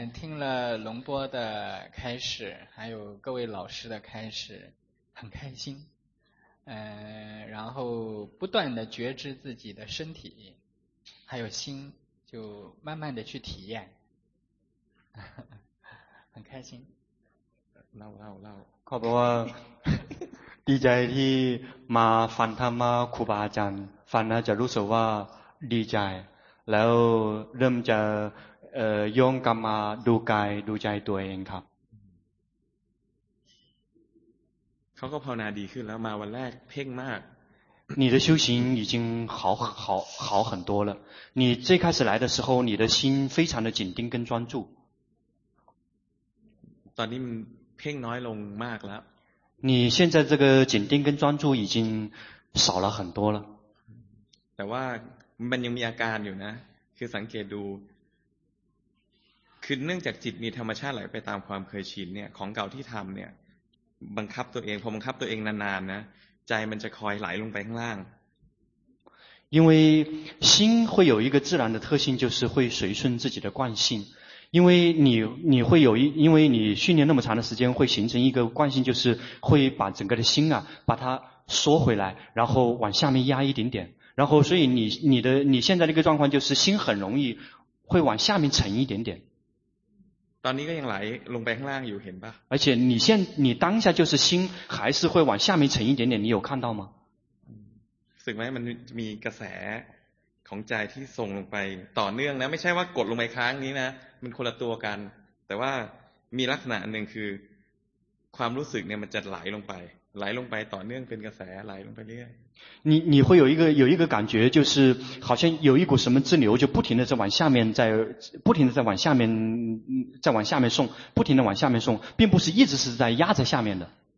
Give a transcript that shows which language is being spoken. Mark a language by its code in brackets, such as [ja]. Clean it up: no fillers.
[zh] 听了龙波的开始，还有各位老师的开始，很开心。然后不断的觉知自己的身体，还有心，就慢慢的去体验。很开心 [th] เล่า เขาบอกว่าดีใจที่มาฟังธรรมะครูบาอาจารย์ฟังแล้วจะรู้สึกว่าดีใจแล้วเริ่มจะย้อนกลับมาดูกายดูใจตัวเองครับ เขาก็ภาวนาดีขึ้นแล้วมาวันแรกเพ่งมาก [zh] 你的修行已经好很多了你最开始来的时候你的心非常的紧盯跟专注 [th] ตอนนี้มันเพ่งน้อยลงมากแล้ว [zh] 你现在这个紧盯跟专注已经少了很多了。 [th] แต่ว่ามันยังมีอาการอยู่นะคือสังเกตดูคือเนื่องจากจิตมีธรรมชาติไหลไปตามความเคยชินเนี่ยของเก่าที่ทำเนี่ยบังคับตัวเองพอบังคับตัวเองนานๆนะใจมันจะคอยไหลลงไปข้างล่าง [zh] 因为心会有一个自然的特性就是会随顺自己的惯性因为你会有因为你训练那么长的时间会形成一个惯性就是会把整个的心啊把它缩回来然后往下面压一点点然后所以你现在的一个状况就是心很容易会往下面沉一点点 [th] ตอนนี้ก็ยังไหลลงไปข้างล่างอยู่เห็นป่ะ [zh] 而且你当下就是心还是会往下面沉一点点你有看到吗 [th] สึกไหมมันมีกระแสของใจที่ส่งลงไปต่อเนื่องนะไม่ใช่ว่ากดลงไปค้างนี้นะมันคนละตัวกันแต่ว่ามีลักษณะหนึ่งคือความรู้สึกเนี่ยมันจะไหลลงไปไหลลงไปต่อเนื่องเป็นกระแสไหลลงไปเรื่อย [zh] 你会有一个感觉就是好像有一股什么支流就不停的在往下面在不停的在往下面在往下面送不停的往下面送并不是一直是在压在下面的